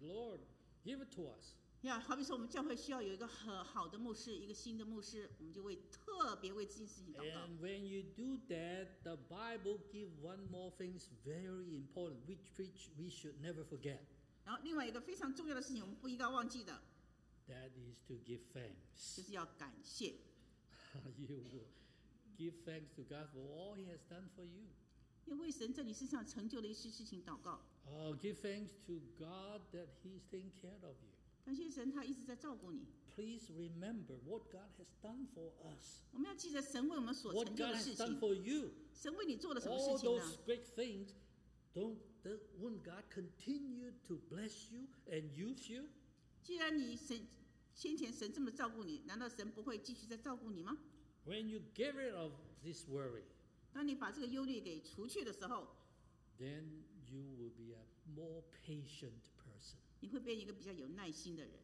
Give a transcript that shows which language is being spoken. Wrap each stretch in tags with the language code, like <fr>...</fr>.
<en>Lord, give it to us.</en> <zh>Yeah, 好比说我们教会需要有一个很好的牧师，一个新的牧师，我们就会特别为这件事情祷告。</zh> <en>And when you do that, the Bible gives one more thing very important, which we should never forget.</en> <zh>然后另外一个非常重要的事情，我们不应该忘记的。</zh> <en>That is to give thanks.</en> <zh>就是要感谢。</zh> <en>You will give thanks to God for all He has done for you.</en> <zh>要为神在你身上成就的一些事情祷告。</zh> <en>Give thanks to God that He's taking care of you.</en> <zh>感谢神，他一直在照顾你。</zh> <en>Please remember what God has done for us.</en> <zh>我们要记得神为我们所成就的事情。</zh> <en>What God has done for you.</en> <zh>神为你做了什么事情呢</zh> <en>？All those great things, won't God continue to bless you and use you?</en> <zh>既然你神先前神这么照顾你，难道神不会继续再照顾你吗</zh> <en>？When you get rid of this worry，</en> <zh>当你把这个忧虑给除去的时候</zh> <en>，then you will be a more patient person。</en> <zh>你会变一个比较有耐心的人。</zh>